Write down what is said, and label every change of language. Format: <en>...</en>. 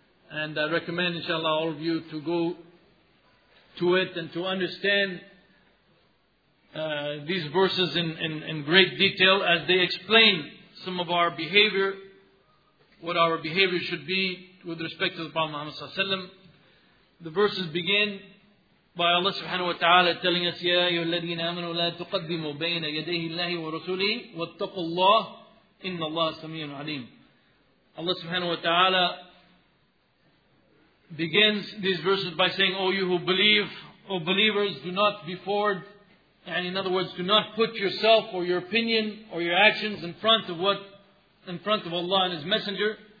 <en>And I recommend, inshallah, all of you to go to it and to understand these verses in great detail as they explain some of our behavior, what our behavior should be with respect to the Prophet Muhammad sallallahu alayhi wa sallam. The verses begin by Allah subhanahu wa ta'ala telling us,</en> <ar>يَا أَيُّهَا الَّذِينَ آمَنُوا لَا تُقَدِّمُوا بَيْنَ يَدَيْهِ اللَّهِ وَرَسُولِهِ وَاتَّقُوا اللَّهِ إِنَّ اللَّهَ سَمِيعٌ عَلِيمٌ.</ar> <en>Allah subhanahu wa ta'ala begins these verses by saying, O you who believe, O believers, do not be forward. And in other words, do not put yourself or your opinion or your actions in front of Allah and His Messenger.</en>